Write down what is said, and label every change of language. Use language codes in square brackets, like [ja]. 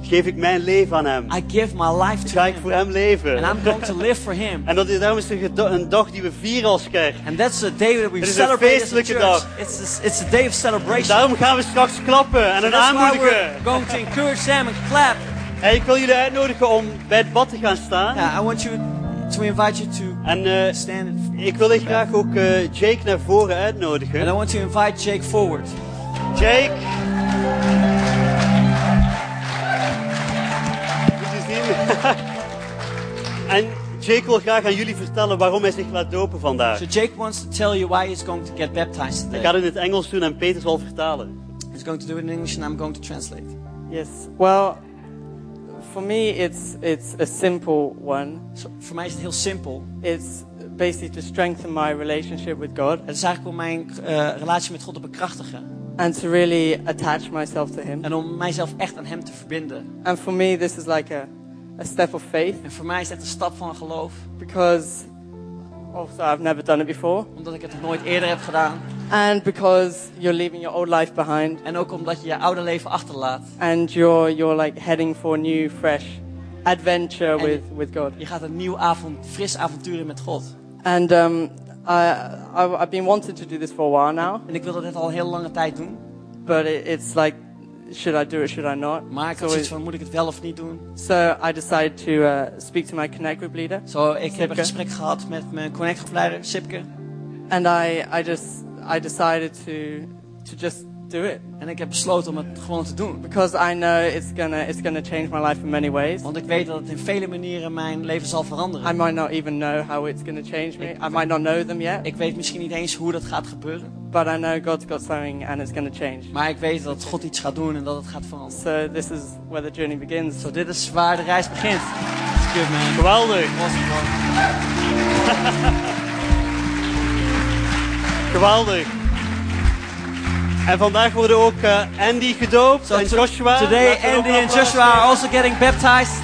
[nl] Geef ik mijn leven aan Hem. [en] I give my life to Him. [nl] Ga ik voor Hem leven. [en] And I'm going to live for Him. [nl] En dat is daarom is een dag die we vieren als kerk. [en] And that's a day that we celebrate. [nl] Het is een feestelijke dag. [en] It's a day of celebration. [nl] En daarom gaan we straks klappen en een aanmoedigen. [en] That's why we're going to encourage them and clap. [nl] En ik wil jullie uitnodigen om bij het bad te gaan staan. [en] Yeah, I want you to invite you to stand. [nl] Ik wil hier graag ook Jake naar voren uitnodigen. [en] And I want to invite Jake forward. Jake. [nl] En Jake wil graag aan jullie vertellen waarom hij zich laat dopen vandaag. [en] So Jake wants to tell you why he's going to get baptized today. [nl] Ik ga het in het Engels doen en Peter zal vertalen. [en] He's going to do it in English and I'm going to translate. Yes. Well, for me it's a simple one. [nl] So for mij is het heel simpel. [en] It's basically to strengthen my relationship with God. [nl] Het is eigenlijk om mijn relatie met God te bekrachtigen. [en] And to really attach myself to Him. [nl] En om mijzelf echt aan Hem te verbinden. [en] And for me this is like a step of faith. [nl] En voor mij is het een stap van geloof. [en] Because also I've never done it before. [nl] Omdat ik het nog nooit eerder heb gedaan. [en] And because you're leaving your old life behind. [nl] En ook omdat je oude leven achterlaat. [en] And you're like heading for a new fresh adventure with God. [nl] Je gaat een nieuw avond, fris avontuur in met God. [en] And I've been wanting to do this for a while now. [nl] En ik wil dat al heel lange tijd doen. [en] But it's like, should I do it, should I not? [nl] Maar ik had zoiets van, moet ik het wel of niet doen? [en] So I decided to speak to my connect group leader. [nl] So ik heb een gesprek gehad met mijn connect group leider, Sipke. [en] And I decided to just do it. [nl] En ik heb besloten om het gewoon te doen. [en] Because I know it's gonna change my life in many ways. [nl] Want ik weet dat het in vele manieren mijn leven zal veranderen. [en] I might not even know how it's gonna change me. I might not know them yet. [nl] Ik weet misschien niet eens hoe dat gaat gebeuren. [en] But I know God's got something and it's gonna change. [nl] Maar ik weet dat God iets gaat doen en dat het gaat veranderen. [en] So this is where the journey begins. [nl] So dit is waar de reis begint. [en] That's good, man. [nl] Geweldig. [en] Awesome, man. [nl] Geweldig. En vandaag worden ook Andy gedoopt en Joshua. [en] Today Andy and Joshua are also getting baptized.